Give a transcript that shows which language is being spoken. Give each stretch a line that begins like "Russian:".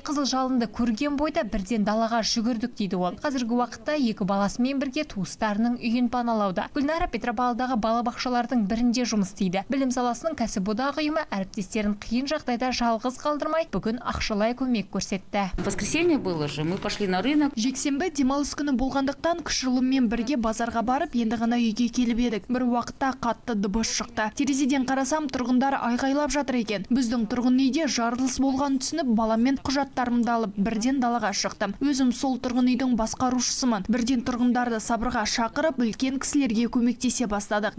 Kazakh: Қызыл жалынды көрген бойда бірден далаға жүгірдік дейді ол. Қазіргі уақытта екі баласымен бірге туыстарының үйін паналауда. Гүлнара Петропавлдағы балабақшалардың бірінде жұмыс істейді. Білім саласының кәсіподақ ұйымы әріптестерін қиын жағдайда жалғыз қалдырмай, бүгін ақшалай көмек көрсетті.
Russian: Воскресенье было же, мы пошли на рынок.
Kazakh: Сенбі демалыс күні болғандықтан күшілімен бірге базарға барып, енді ғана үйге келіп едік. Бір уақытта қатты дыбыс шықты. Терезеден қарасам, тұрғындар айғайлап жатыр екен. Біздің тұрғын үйде жарылыс болған түсініп, баламен құжаттарымды алып, бірден далаға шықтым. Өзім сол тұрғын үйдің басқарушысымын. Бірден тұрғындарды сабырға шақырып, үлкен кісілерге көмектесе бастадық.